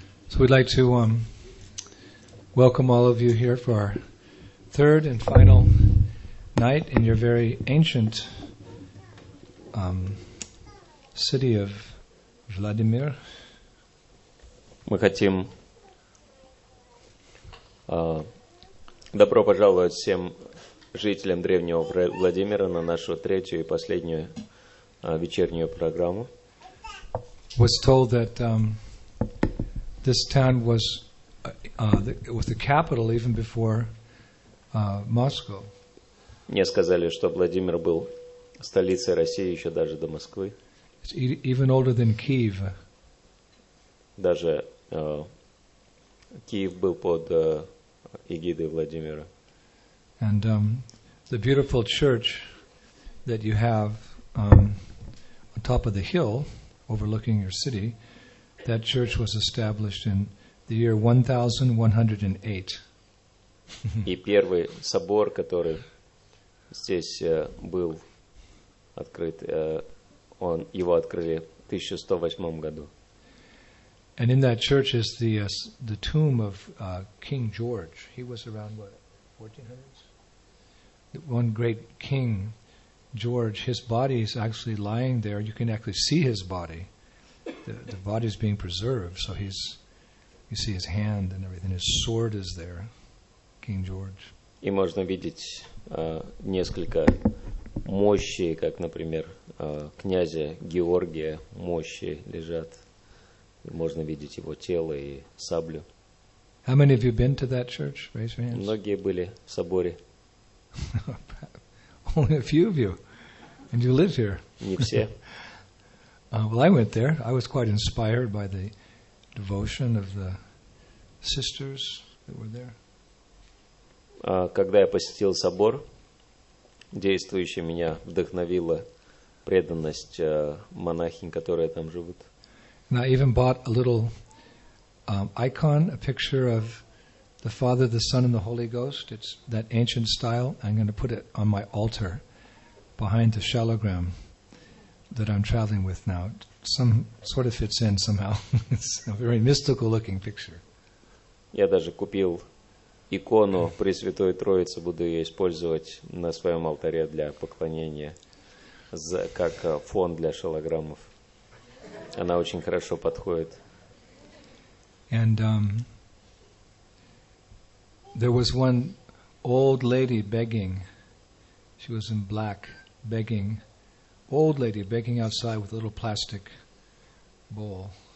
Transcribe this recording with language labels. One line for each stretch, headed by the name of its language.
English: So we'd like to welcome all of you here for our third and final night in your very ancient city of Vladimir.
Russian: Мы хотим добро пожаловать всем жителям древнего Владимира на нашу третью и последнюю вечернюю программу.
English: Was told that this town was with the capital even before Moscow.
Russian: Мне сказали, что Владимир был столицей России еще даже до Москвы.
English: It's even older than Kiev.
Russian: Даже Киев был под эгидой Владимира.
English: And the beautiful church that you have on top of the hill overlooking your city, that church was established in the year 1108.
Russian: И первый собор, который здесь был открыт, он его открыли в 1108 году.
English: And in that church is the tomb of King George. He was around what, 1400s? One great king, George. His body is actually lying there. You can actually see his body. The body is being preserved. So he's, you see his hand and everything. His sword is there, King George.
Russian: И можно видеть несколько мощи, как, например, князя Георгия. Мощи лежат. Можно видеть его тело и саблю.
English: How many of you been to that church? Raise your hands.
Russian: Многие были в соборе.
English: Only a few of you, and you live here.
Russian: Не все.
English: Well, I went there. I was quite inspired by the devotion of the sisters that were there.
Russian: Когда я посетил собор, действующий меня вдохновила преданность монахинь, которые там живут.
English: And I even bought a little icon, a picture of the Father, the Son, and the Holy Ghost. It's that ancient style. I'm going to put it on my altar behind the shalogram that I'm traveling with now. Some sort of fits in somehow. It's a very mystical looking picture.
Russian: Я даже купил икону Пресвятой Троицы, буду ее использовать на своем алтаре для поклонения, как фон для шалограммов. Она очень хорошо подходит.
English: And there was one old lady begging. She was in black, begging. Old lady begging outside with a little plastic bowl.